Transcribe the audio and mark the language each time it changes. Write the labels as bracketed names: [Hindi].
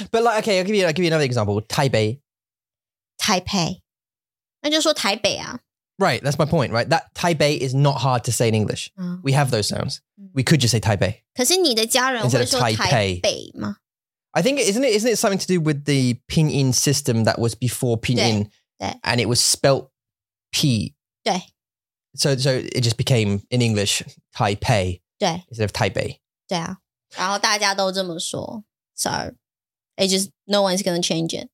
[English] But like, okay, I'll give you another example. [Chinese] 台北。台北。那就说台北啊。 [English] Right, that's my point, right? That Taipei is not hard to say in English. We have those sounds. We could just say Taipei. [Chinese] 可是你的家人会说台北吗? [English] I think, isn't it something to do with the pinyin system that was before pinyin? [Chinese] 对, [English] and it was spelt P. [Chinese] 对。 [English] So it just became, in English, Taipei. [Chinese] 对。 [English] Instead of Taipei. [Chinese] 对啊, 然后大家都这么说, [English] so it just, no one's going to change it.